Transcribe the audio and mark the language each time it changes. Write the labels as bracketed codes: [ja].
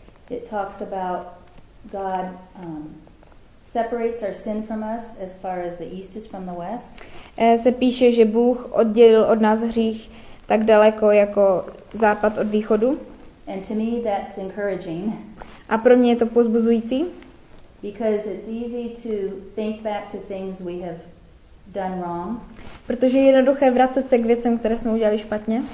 [en] it talks about God separates our sin from us as far as the east is from the west. [cs] Se píše, že Bůh oddělil od nás hřích tak daleko jako západ od východu. [en] And to me that's encouraging. [cs] A pro mě je to povzbuzující. [en] Because it's easy to think back to things we have done wrong. [cs] Protože je jednoduché vracet se k věcem, které jsme udělali špatně.